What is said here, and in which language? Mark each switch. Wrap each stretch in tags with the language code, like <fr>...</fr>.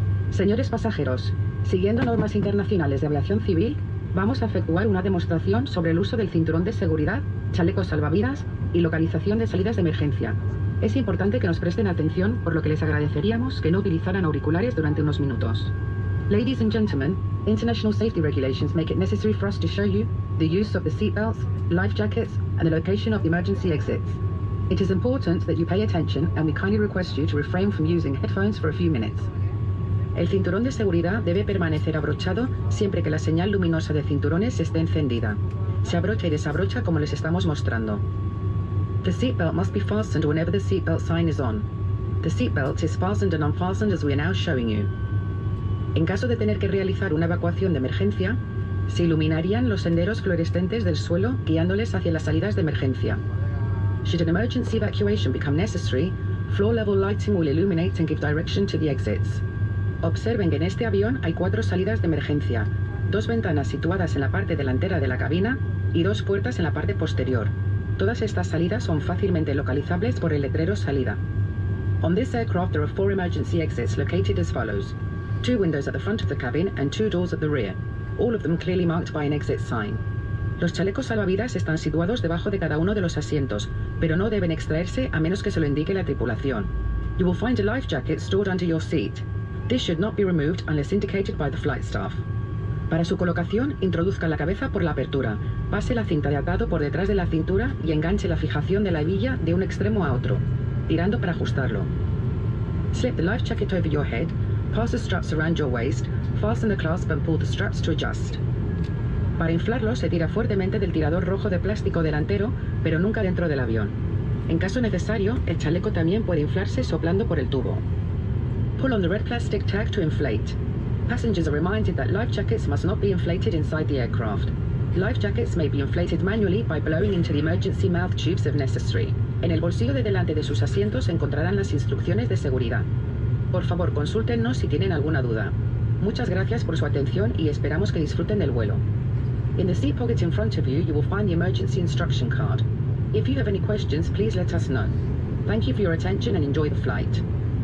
<es>Señores pasajeros, siguiendo normas internacionales de aviación civil, vamos a efectuar una demostración sobre el uso del cinturón de seguridad, chalecos salvavidas y localización de salidas de emergencia. Es importante que nos presten atención, por lo que les agradeceríamos que no utilizaran auriculares durante unos minutos.</es> <en>Ladies and gentlemen, international safety regulations make it necessary for us to show you the use of the seatbelts, life jackets, and the location of the emergency exits. It is important that you pay attention, and we kindly request you to refrain from using headphones for a few minutes.</en> <es>El cinturón de seguridad debe permanecer abrochado siempre que la señal luminosa de cinturones esté encendida. Se abrocha y desabrocha como les estamos mostrando.</es> <en>The seatbelt must be fastened whenever the seatbelt sign is on. The seatbelt is fastened and unfastened as we are now showing you.</en> <es>En caso de tener que realizar una evacuación de emergencia, se iluminarían los senderos fluorescentes del suelo guiándoles hacia las salidas de emergencia.</es> <en>Should an emergency evacuation become necessary, floor level lighting will illuminate and give direction to the exits.</en> <es>Observen que en este avión hay cuatro salidas de emergencia, dos ventanas situadas en la parte delantera de la cabina y dos puertas en la parte posterior. Todas estas salidas son fácilmente localizables por el letrero salida.</es> <en>On this aircraft there are four emergency exits located as follows. Two windows at the front of the cabin and two doors at the rear, all of them clearly marked by an exit sign.</en> <es>Los chalecos salvavidas están situados debajo de cada uno de los asientos, pero no deben extraerse a menos que se lo indique la tripulación.</es> <en>You will find a life jacket stored under your seat. This should not be removed unless indicated by the flight staff.</en> <es>Para su colocación, introduzca la cabeza por la apertura, pase la cinta de atado por detrás de la cintura y enganche la fijación de la hebilla de un extremo a otro, tirando para ajustarlo.</es> <en>Slip the life jacket over your head, pass the straps around your waist, fasten the clasp and pull the straps to adjust.</en> <es>Para inflarlo, se tira fuertemente del tirador rojo de plástico delantero, pero nunca dentro del avión. En caso necesario, el chaleco también puede inflarse soplando por el tubo.</es> <en>Pull on the red plastic tag to inflate. Passengers are reminded that life jackets must not be inflated inside the aircraft. Life jackets may be inflated manually by blowing into the emergency mouth tubes if necessary.</en> <es>En el bolsillo de delante de sus asientos encontrarán las instrucciones de seguridad. Por favor, consúltennos si tienen alguna duda. Muchas gracias por su atención y esperamos que disfruten del vuelo.</es> <en>In the seat pocket in front of you, you will find the emergency instruction card. If you have any questions, please let us know. Thank you for your attention and enjoy the flight.</en>